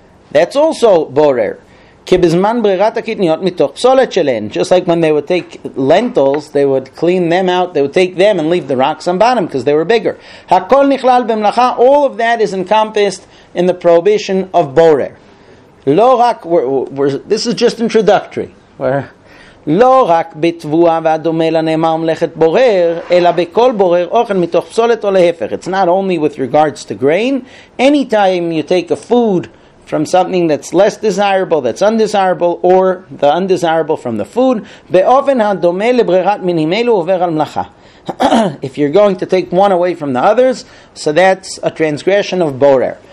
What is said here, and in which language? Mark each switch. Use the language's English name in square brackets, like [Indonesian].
[English] That's also borer. Just like when they would take lentils, they would clean them out, they would take them and leave the rocks on bottom because they were bigger. All of that is encompassed in the prohibition of borer. This is just introductory. Where? [Hebrew] לא רק בתבואה ואדומה לנאמר מלאכת בורר, אלא בכל בורר אוכל מתוך פסולת או להפך. [English] It's not only with regards to grain. Anytime you take a food from something that's less desirable, that's undesirable, or the undesirable from the food, [Hebrew] באופן הדומה לברירת מינים אלו עובר על מלאכה. [English] If you're going to take one away from the others, so that's a transgression of borer.